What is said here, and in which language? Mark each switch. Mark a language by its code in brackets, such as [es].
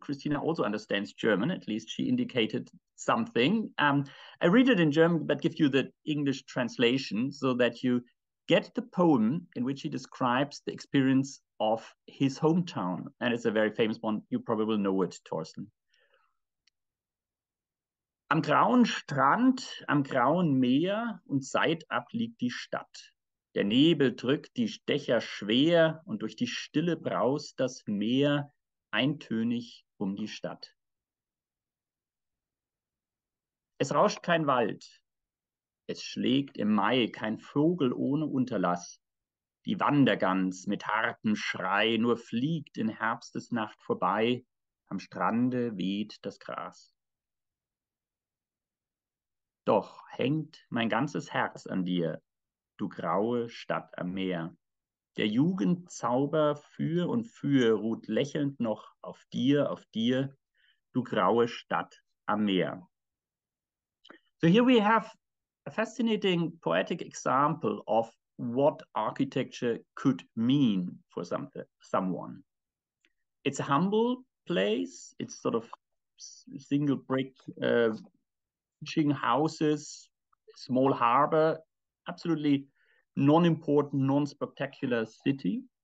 [en] Christina also understands German. At least she indicated something. I read it in German, but give you the English translation so that you get the poem in which he describes the experience of his hometown. And it's a very famous one. You probably will know it, Thorsten. [de] Am grauen Strand, am grauen Meer und seitab liegt die Stadt. Der Nebel drückt die Stecher schwer und durch die Stille braust das Meer eintönig um die Stadt. Es rauscht kein Wald, es schlägt im Mai kein Vogel ohne Unterlass. Die Wandergans mit hartem Schrei nur fliegt in Herbstesnacht vorbei, am Strande weht das Gras. Doch hängt mein ganzes Herz an dir, du graue Stadt am Meer. Der Jugendzauber für ruht lächelnd noch auf dir, du graue Stadt am Meer. [en] So here we have a fascinating poetic example of what architecture could mean for someone. It's a humble place. It's sort of single brick houses, small harbor, absolutely non-important, non-spectacular city.